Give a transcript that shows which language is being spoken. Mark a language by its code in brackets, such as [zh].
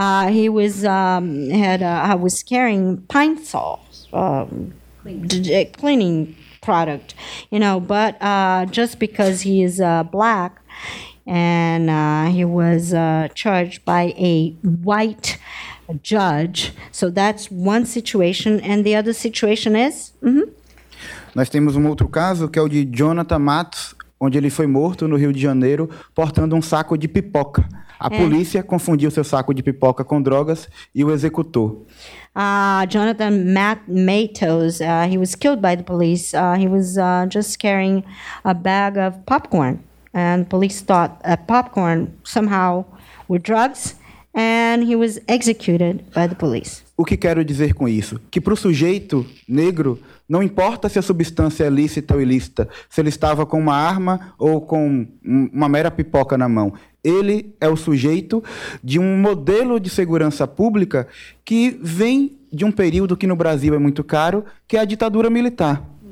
[en] He was was carrying pine saw, cleaning product, you know. But just because he is black, and he was charged by a white judge, so that's one situation. And the other situation is. [pt] Nós temos um outro caso que é o de Jonathan Matos. onde ele foi morto no Rio de Janeiro, portando um saco de pipoca. A polícia confundiu seu saco de pipoca com drogas e o executou. [en] Jonathan Matos, he was killed by the police. He was just carrying a bag of popcorn. And police thought that popcorn somehow were drugs. And he was executed by the police. [pt] O que quero dizer com isso? Que para o sujeito negro, não importa se a substância é lícita ou ilícita, se ele estava com uma arma ou com uma mera pipoca na mão. Ele é o sujeito de um modelo de segurança pública que vem de um período que no Brasil é muito caro, que é a ditadura militar.